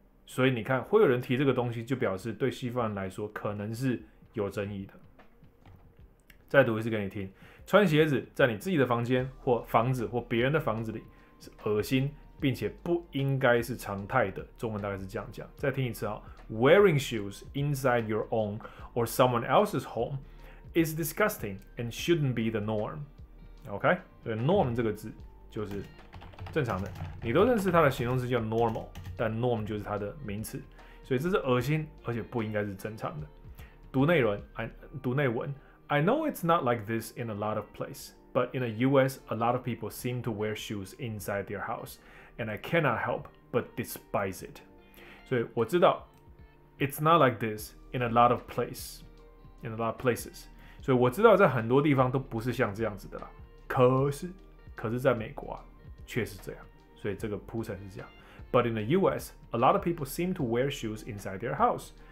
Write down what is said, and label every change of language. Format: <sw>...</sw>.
<zh>所以你看，会有人提这个东西，就表示对西方人来说可能是有争议的。再读一次给你听。穿鞋子在你自己的房间或房子或别人的房子里是恶心，并且不应该是常态的。中文大概是这样讲。再听一次啊</zh> <en>，Wearing shoes inside your own or someone else's home is disgusting and shouldn't be the norm.</en> <zh>OK， 所以 norm 这个字就是正常的。你都认识它的形容词叫 normal， 但 norm 就是它的名词。所以这是恶心，而且不应该是正常的。读内容，读内文。</zh> <en>I know it's not like this in a lot of places, but in the US, a lot of people seem to wear shoes inside their house, and I cannot help but despise it.</en> <zh>所以我知道</zh> <en>，it's not like this in a lot of places, in a lot of places.</en> <zh>所以我知道在很多地方都不是像这样子的啦。可是在美国啊，确实这样。所以这个铺陈是这样。</zh> <en>But in the US, a lot of people seem to wear shoes inside their house.</en>